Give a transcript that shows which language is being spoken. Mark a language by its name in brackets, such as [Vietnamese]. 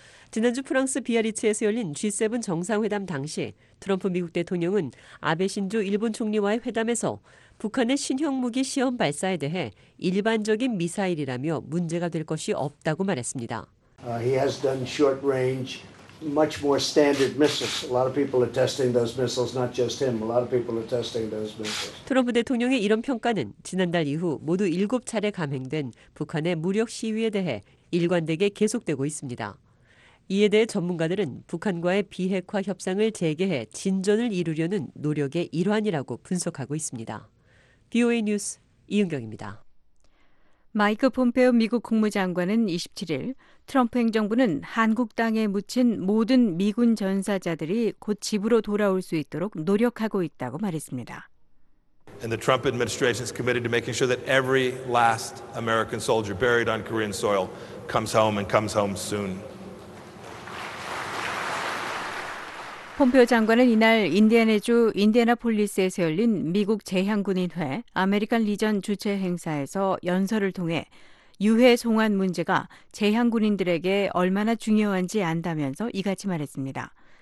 [Korean] 지난주 프랑스 비아리츠에서 열린 G7 정상회담 당시 트럼프 미국 대통령은 아베 신조 일본 총리와의 회담에서 북한의 신형 무기 시험 발사에 대해 일반적인 미사일이라며 문제가 될 것이 없다고 말했습니다. [English] He has done short range, much more standard missiles. A lot of people are testing those missiles, not just him. A lot of people are testing those missiles. [Korean] 트럼프 대통령의 이런 평가는 지난달 이후 모두 7차례 감행된 북한의 무력 시위에 대해 일관되게 계속되고 있습니다. 이에 대해 전문가들은 북한과의 비핵화 협상을 재개해 진전을 이루려는 노력의 일환이라고 분석하고 있습니다. BOA 뉴스 이은경입니다. 마이크 폼페오 미국 국무장관은 27일 트럼프 행정부는 한국 땅에 묻힌 모든 미군 전사자들이 곧 집으로 돌아올 수 있도록 노력하고 있다고 말했습니다. [English] And the Trump administration is committed to making sure that every last American soldier buried on Korean soil comes home and comes home soon. [Korean] 폼페오 장관은 이날 인디애나주 인디애나폴리스에서 열린 미국 재향군인회 아메리칸 리전 주최 행사에서 연설을 통해 유해 송환 문제가 재향군인들에게 얼마나 중요한지 안다면서 이같이 말했습니다.